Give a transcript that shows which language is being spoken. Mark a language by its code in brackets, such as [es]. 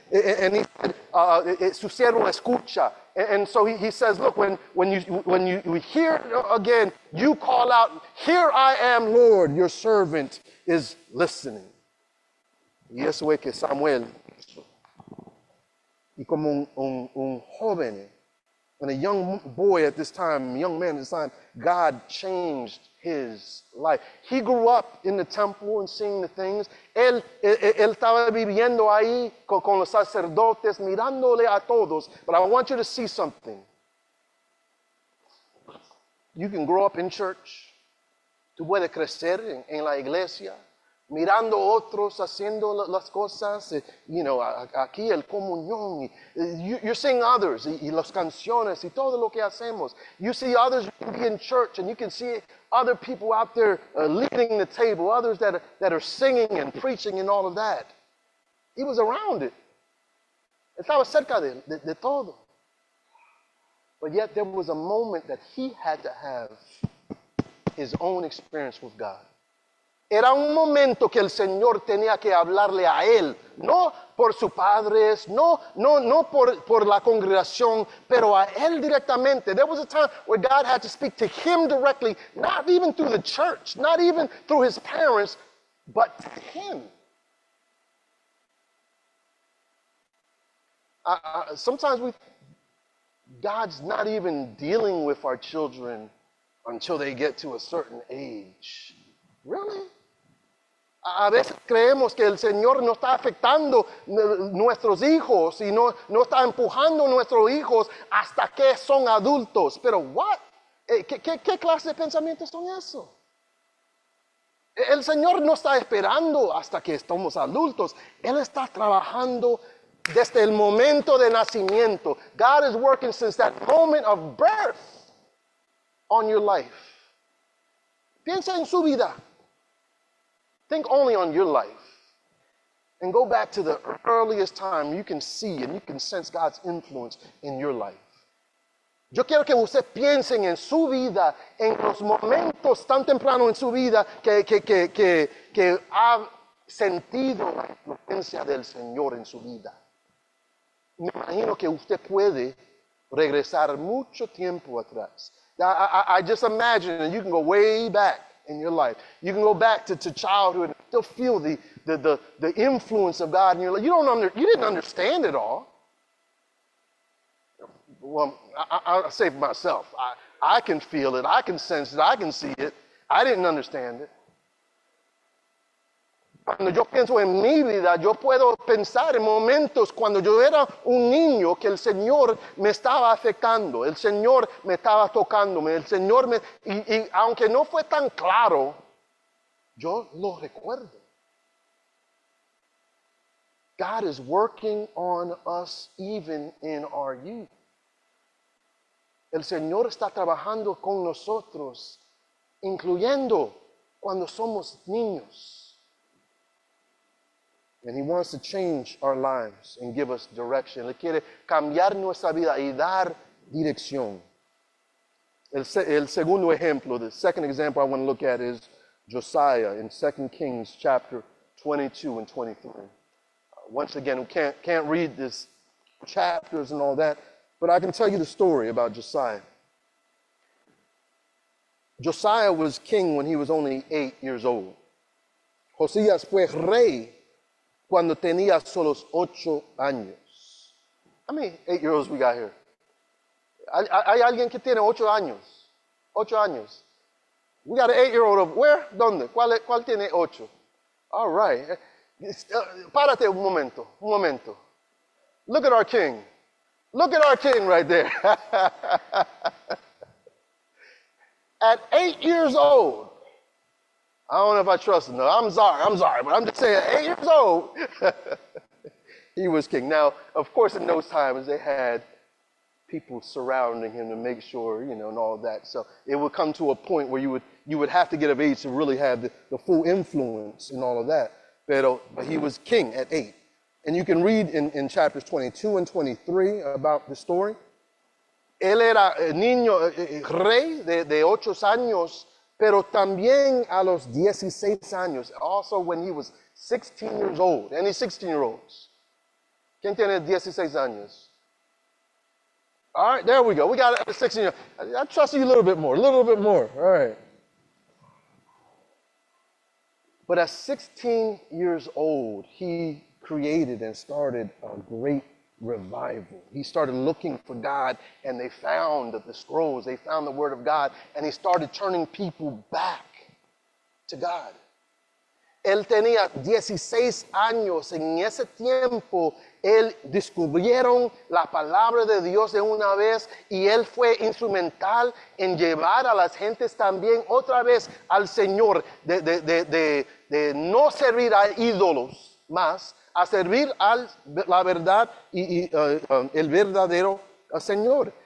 [en] And he said, [es] su siervo escucha. [en] And so he says, look, when you hear again, you call out, here I am, Lord, your servant is listening. [es] Y eso es que Samuel, y como un joven, [en] and a young boy at this time, young man at this time, God changed his life. He grew up in the temple and seeing the things. [es] Él estaba viviendo ahí con los sacerdotes, mirándole a todos. [en] But I want you to see something. You can grow up in church. [es] Tú puedes crecer en la iglesia, mirando otros haciendo las cosas, [en] you know, [es] aquí el comunión. [en] You're seeing others, [es] y las canciones, y todo lo que hacemos. [en] You see others in church, and you can see other people out there leading the table, others that are singing and preaching and all of that. He was around it. [es] Estaba cerca de todo. [en] But yet there was a moment that he had to have his own experience with God. [es] Era un momento que el Señor tenía que hablarle a él, no por sus padres, no por la congregación, pero a él directamente. [en] There was a time where God had to speak to him directly, not even through the church, not even through his parents, but to him. Sometimes God's not even dealing with our children until they get to a certain age. Really? [es] A veces creemos que el Señor no está afectando nuestros hijos y no está empujando nuestros hijos hasta que son adultos. Pero, ¿qué clase de pensamientos son esos? El Señor no está esperando hasta que estamos adultos. Él está trabajando desde el momento de nacimiento. [en] God is working since that moment of birth on your life. [es] Piensa en su vida. [en] Think only on your life. And go back to the earliest time you can see and you can sense God's influence in your life. [es] Yo quiero que ustedes piensen en su vida, en los momentos tan temprano en su vida que ha sentido la influencia del Señor en su vida. Me imagino que usted puede regresar mucho tiempo atrás. [en] I just imagine that you can go way back in your life. You can go back to childhood and still feel the influence of God in your life. You didn't understand it all. Well, I say for myself, I can feel it, I can sense it, I can see it. I didn't understand it. [es] Cuando yo pienso en mi vida, yo puedo pensar en momentos cuando yo era un niño que el Señor me estaba afectando, el Señor me estaba tocándome, el Señor me... Y aunque no fue tan claro, yo lo recuerdo. [en] God is working on us even in our youth. [es] El Señor está trabajando con nosotros, incluyendo cuando somos niños. [en] And he wants to change our lives and give us direction. [es] Él quiere cambiar nuestra vida y dar dirección. El segundo ejemplo, [en] the second example I want to look at is Josiah in 2 Kings chapter 22 and 23. Once again, we can't read these chapters and all that, but I can tell you the story about Josiah. Josiah was king when he was only 8 years old. [es] Josías fue rey cuando tenía solo 8 años. [en] How many 8-year-olds we got here? [es] Hay alguien que tiene 8 años? 8 años. [en] We got an 8-year-old over. Where? [es] Donde? ¿Cuál tiene 8? [en] All right. [es] Párate un momento. Un momento. [en] Look at our king. Look at our king right there. At 8 years old, I don't know if I trust him. No, I'm sorry, but I'm just saying, 8 years old, he was king. Now, of course, in those times, they had people surrounding him to make sure, you know, and all that. So it would come to a point where you would have to get of age to really have the full influence and all of that. But he was king at 8. And you can read in chapters 22 and 23 about the story. [es] Él era niño, rey de 8 años, pero también a los 16 años. [en] Also when he was 16 years old. Any 16-year-olds? [es] ¿Quién tiene 16 años? [en] All right, there we go. We got a 16-year-old. I trust you a little bit more. All right. But at 16 years old, he created and started a great revival. He started looking for God, and they found the scrolls, they found the word of God, and he started turning people back to God. [es] Él tenía 16 años. En ese tiempo, él descubrieron la palabra de Dios de una vez, y él fue instrumental en llevar a las gentes también otra vez al Señor, de no servir a ídolos más, a servir al la verdad el verdadero Señor.